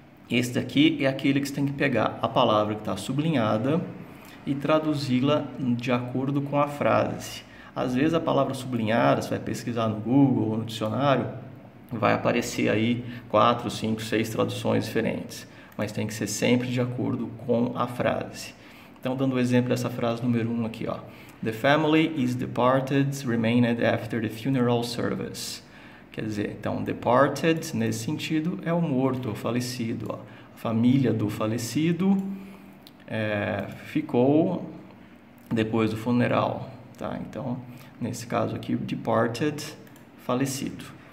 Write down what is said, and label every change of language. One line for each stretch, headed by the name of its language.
Portuguese: Esse daqui é aquele que você tem que pegar a palavra que está sublinhada e traduzi-la de acordo com a frase. Às vezes a palavra sublinhada, você vai pesquisar no Google ou no dicionário, vai aparecer aí 4, 5, 6 traduções diferentes. Mas tem que ser sempre de acordo com a frase. Então, dando o um exemplo dessa frase número 1 aqui, ó.
English: The family is departed, remained after the funeral service.
Portuguese: Quer dizer, então, departed, nesse sentido, é o morto, o falecido, ó. A família do falecido ficou depois do funeral, tá? Então, nesse caso aqui, departed, falecido.